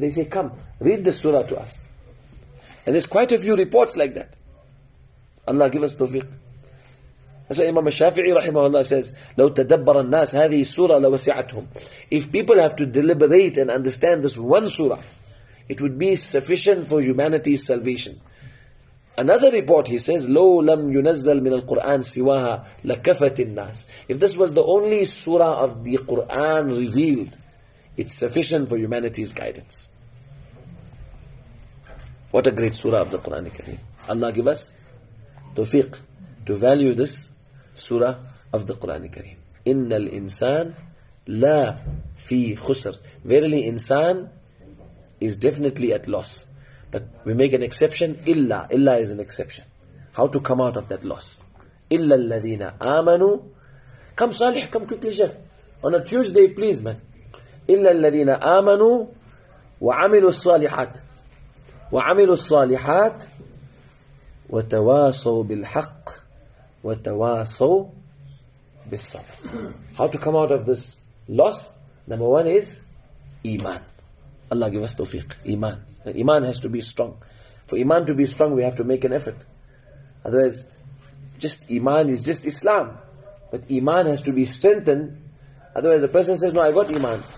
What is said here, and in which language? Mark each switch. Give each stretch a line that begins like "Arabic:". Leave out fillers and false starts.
English: They say, come, read the surah to us. And there's quite a few reports like that. Allah give us tawfiq. That's why Imam Shafi'i rahimahullah says,
Arabic: لو تدبر الناس هذه السورة لوسعتهم.
English: If people have to deliberate and understand this one surah, it would be sufficient for humanity's salvation. Another report, he says,
Arabic: لو لم ينزل من القرآن سواها لكفت الناس.
English: If this was the only surah of the Quran revealed, it's sufficient for humanity's guidance. What a great surah of the Quran. Allah give us tawfiq to value this surah of the Quran.
Arabic: Innal insan la fi khusr.
English: Verily, insan is definitely at loss. But we make an exception. Illa. Illa is an exception. How to come out of that loss?
Arabic: Illa alladhina amanu.
English: Come, Salih, come quickly, Sheikh. On a Tuesday, please, man.
Arabic: Illa alladhina amanu wa amilu salihat. وعملوا الصالحات وتواصوا بالحق وتواصوا بالصبر.
English: How to come out of this loss? Number one is iman. Allah give us tawfiq. Iman. Iman has to be strong. For iman to be strong, we have to make an effort. Otherwise, just iman is just Islam. But iman has to be strengthened. Otherwise, the person says, no, I got iman.